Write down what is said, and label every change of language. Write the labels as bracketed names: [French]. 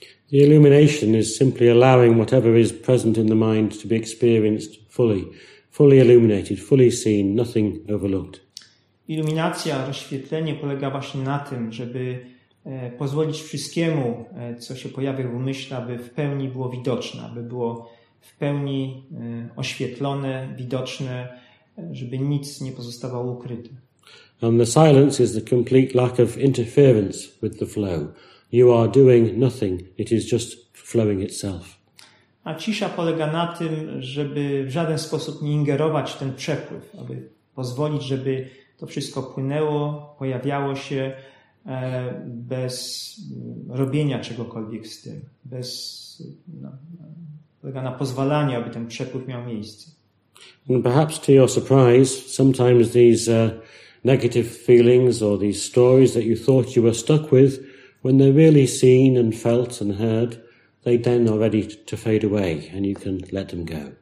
[English] The illumination is simply allowing whatever is present in the mind to be experienced fully, fully illuminated, fully seen, nothing overlooked. [Polish] Iluminacja, rozświetlenie polega właśnie na tym, żeby pozwolić wszystkiemu, co się pojawia w umyśle, aby w pełni było widoczne, aby było w pełni oświetlone, widoczne, żeby nic nie pozostawało ukryte. [English] And the silence is the complete lack of interference with the flow. You are doing nothing, it is just flowing itself. [Polish] A cisza polega na tym, żeby w żaden sposób nie ingerować w ten przepływ, aby pozwolić, żeby to wszystko płynęło, pojawiało się bez robienia czegokolwiek z tym, bez polega na pozwalaniu, aby ten przepływ miał miejsce. [English] And perhaps to your surprise, sometimes these negative feelings or these stories that you thought you were stuck with, when they're really seen and felt and heard, they then are ready to fade away and you can let them go.